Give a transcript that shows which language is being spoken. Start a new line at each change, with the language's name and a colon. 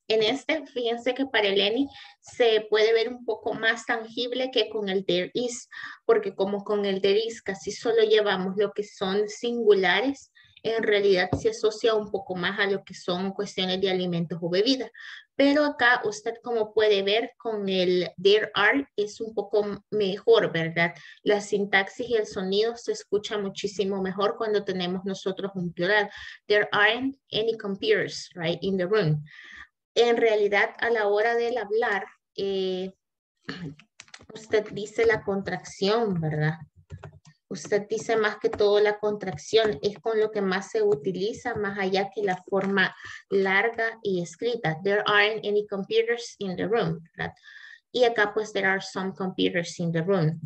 Spanish: En este, fíjense que para Eleni se puede ver un poco más tangible que con el there is, porque como con el there is casi solo llevamos lo que son singulares, en realidad se asocia un poco más a lo que son cuestiones de alimentos o bebidas. Pero acá usted, como puede ver, con el there are es un poco mejor, ¿verdad? La sintaxis y el sonido se escucha muchísimo mejor cuando tenemos nosotros un plural.
English: There aren't any computers, right, in the room.
Spanish: En realidad, a la hora del hablar, usted dice la contracción, ¿verdad? Usted dice más que todo la contracción, es con lo que más se utiliza, más allá que la forma larga y escrita.
English: There aren't any computers in the room, ¿verdad?
Spanish: Y acá pues
English: there are some computers in the room.